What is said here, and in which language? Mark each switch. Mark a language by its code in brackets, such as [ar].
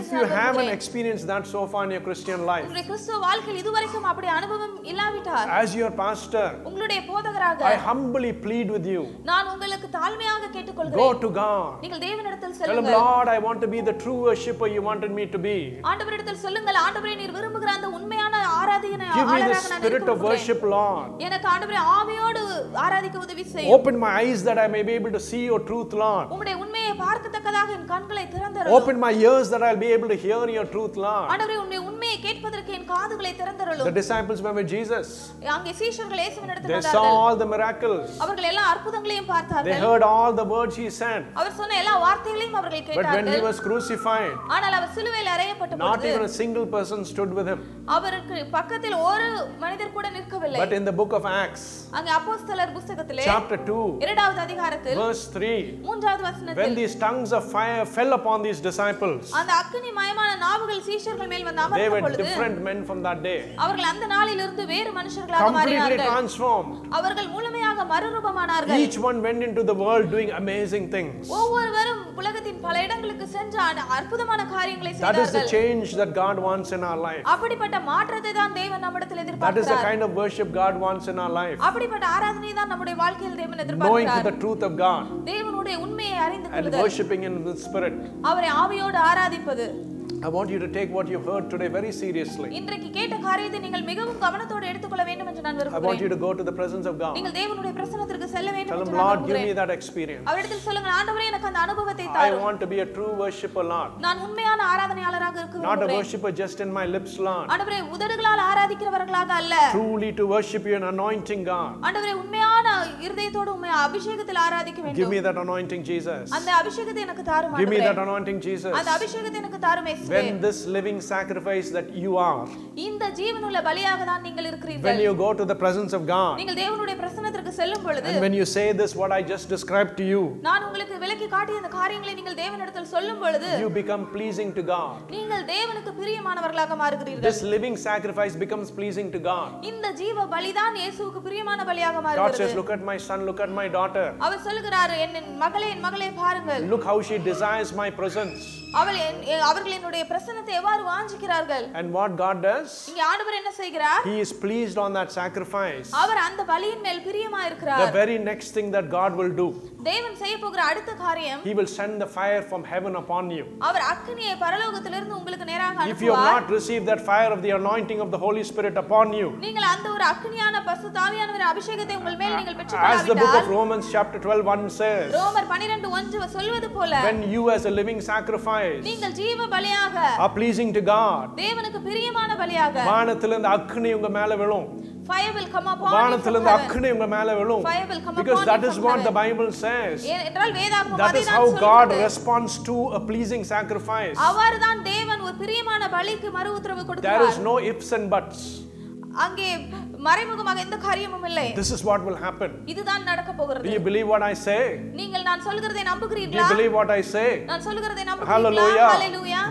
[en] If you haven't experienced that so far in your Christian life. [ta] உங்கள் கிறிஸ்தவ வாழ்க்கையில் இதுவரைக்கும் அப்படி அனுபவம் இல்லாவிட்டால். [en] As your pastor. [ta] உங்களுடைய போதகராக. [en] I humbly plead with you. [ta] நான் உங்களுக்கு தாழ்மையாக கேட்டுக்கொள்கிறேன். [en] Go to God. [ta] நீங்கள் தேவனிடத்தில் செல்லுங்கள். [en] Tell him, Lord, I want to be the true worshipper you wanted me to be. [ta] ஆண்டவரிடத்தில் சொல்லுங்கள், ஆண்டவரே நீர் விரும்புகிற அந்த உண்மையான ஆராதனை ஆராதகராக [en] The spirit of worship, Lord. [ta] எனக்கு ஆண்டவரே ஆவியோடு ஆராதிக்க உதவி செய். [en] Open my eyes that I may be able to see your truth, Lord. [ta] உம்முடைய உண்மையை பார்க்கத்தக்கதாக என் கண்களை திறந்தரு. [en] Open my ears that I'll be able to hear your truth, Lord. [ta] ஆண்டவரே உம்முடைய உண்மையை கேட்பதற்கு என் காதுகளை திறந்தரு. [en] The disciples remember Jesus. [ta] அங்கே சீஷர்கள் இயேசுவின் இடத்தில் இருந்தார்கள். [en] They saw all the miracles. [ta] அவர்கள் எல்லா அற்புதங்களையும் பார்த்தார்கள். [en] They heard all the words he said. [ta] அவர் சொன்ன எல்லா வார்த்தைகளையும் அவர்கள் கேட்டார்கள். [en] But when he was crucified. [ta] ஆனால் அவர் சிலுவையில் அறையப்பட்ட பொழுது. [en] Not even a single person stood with him. [ta] அவருக்கு பக்கத்தில் ஒரு மனிதர் கூட நிற்கவில்லை. [en] But in the book of Acts. [ta] அங்கே அப்போஸ்தலர் புத்தகத்திலே. [en] Chapter 2. [ta] இரண்டாவது அதிகாரத்தில். [en] Verse 3. [ta] மூன்றாவது வசனத்தில். [en] When these tongues of fire fell upon these disciples. [ta] அந்த அக்கினி மயமான நாவுகள் சீஷர்கள் மேல் வந்து அமர்ந்த பொழுது. [en] They were different men from that day. [ta] அவர்கள் அந்த நாளிலிருந்து வேறு மனுஷர்களாக மாறினார்கள். [en] Completely transformed. [ta] அவர்கள் முழுமையாக மறுரூபமானார்கள். [en] Each one went into the world doing amazing things. [ta] ஒவ்வொருவரும் உலகத்தின் பல இடங்களுக்கு சென்று அற்புதமான காரியங்களை செய்தார்கள். [en] That is the change that God wants in our life. [ta] அப்படிப்பட்ட மாற்றத்தை தான் தேவன் நம்மிடத்தில் எதிர்பார்க்கிறார். [en] That is the kind of worship God wants in our life. [ta] அப்படிப்பட்ட ஆராதனையை தான் நம்முடைய வாழ்க்கையில் தேவன் எதிர்பார்க்கிறார். [en] Knowing the truth of God. [ta] தேவனுடைய உண்மையை அறிந்து கொள்ளுதல். [en] And worshiping in the spirit. [ta] அவரை ஆவியோடு ஆராதிப்பது. [en] I want you to take what you heard today very seriously. [ta] இன்றைக்கு கேட்ட காரியத்தை நீங்கள் மிகவும் கவனத்தோடு எடுத்துக்கொள்ள வேண்டும் என்று நான் விரும்புகிறேன். [en] I want you to go to the presence of God. [ta] நீங்கள் தேவனுடைய பிரசன்னத்திற்கு செல்ல வேண்டும் என்று நான் விரும்புகிறேன். [en] Tell him, Lord, give me that experience. [ta] அவரிடத்தில் சொல்லுங்கள், ஆண்டவரே எனக்கு அந்த அனுபவத்தை தாரும். [en] I want to be a true worshipper, Lord. [ta] நான் உண்மையான ஆராதனையாளராக இருக்க விரும்புகிறேன். [en] Not a worshipper just in my lips, Lord. [ta] ஆண்டவரே உதடுகளால் ஆராதிக்கிறவர்களாக அல்ல. [en] Truly to worship you and anointing God. [ta] ஆண்டவரே உண்மையான பரிசுத்தமான இருதயத்தோடு உம்மை அபிஷேகத்தில் ஆராதிக்க வேண்டும் [en] give me that anointing jesus [ta] அந்த அபிஷேகத்தை எனக்கு தாருமா [en] give me that anointing jesus [ta] அந்த அபிஷேகத்தை எனக்கு தாருமே இயேசுவே [en] when this living sacrifice that you are [ta] இந்த ஜீவனுள்ள பலியாக தான் நீங்கள் இருக்கிறீர்கள் [en] when you go to the presence of god [ta] நீங்கள் தேவனுடைய பிரசன்னத்திற்கு செல்லும் பொழுது [en] when you say this what i just described to you [ta] நான் உங்களுக்கு விளக்கி காட்டிய இந்த காரியங்களை நீங்கள் தேவனிடத்தில் சொல்லும் பொழுது [en] you become pleasing to god [ta] நீங்கள் தேவனுக்கு பிரியமானவர்களாக மாறுகிறீர்கள் [en] this living sacrifice becomes pleasing to god [ta] இந்த ஜீவ பலி தான் இயேசுவுக்கு பிரியமான பலியாக மாறுகிறது [en] god says look at my son look at my daughter [ta] அவர் சொல்கிறார் என் மகளே பாருங்கள் [en] look how she desires my presence [ta] அவர்களுடைய பிரசன்னத்தை எவ்வாறு வாஞ்சிக்கிறார்கள் [en] and what god does [ta] இங்கே ஆண்டவர் என்ன செய்கிறார் [en] he is pleased on that sacrifice [ta] அவர் அந்த பலியின் மேல் பிரியமா இருக்கிறார் [en] the very next thing that god will do [ta] தேவன் செய்ய போகிற அடுத்த காரியம் [en] he will send the fire from heaven upon you [ta] அவர் அக்கினியை பரலோகத்திலிருந்து உங்களுக்கு நேராக அனுப்புவார் [en] if you have not received that fire of the anointing of the holy spirit upon you [ta] நீங்கள் அந்த ஒரு அக்கினியான பரிசுத்த ஆவியானவர் அபிஷேகத்தை உங்கள் மேல் நீங்கள் பெற்றுக்கொள்ளாவிட்டால் [en] as the book of romans chapter 12 1 says [ta] ரோமர் 12:1 சொல்வது போல [en] when you as a living sacrifice [ta] நீங்கள் ஜீவ பலியாக [en] a pleasing to god [ta] தேவனுக்கு பிரியமான பலியாக வானத்திலிருந்து அக்கினி உங்க மேல் விழும் [en] fire will come upon [ta] வானத்திலிருந்து அக்கினி உங்க மேல் விழும் [en] fire will come because upon because that is what the bible says [ta] என்றால் வேதாகமம் [en] that is how god responds to a pleasing sacrifice [ta] அவர்தான் தேவன் ஒரு பிரியமான பலிக்கு மறு உத்தரவு கொடுக்கிறார் [en] there is no ifs and buts [ta] அங்கே மறைமுகமாக எந்த காரியமும் இல்லை [en] this is what will happen [ta] இதுதான் நடக்க போகிறது [en] do you believe what i say [ta] நீங்கள் நான் சொல்றதை நம்புகிறீர்களா [en] do you believe what i say [ta] நான் சொல்றதை நம்புகிறீர்களா hallelujah [en] hallelujah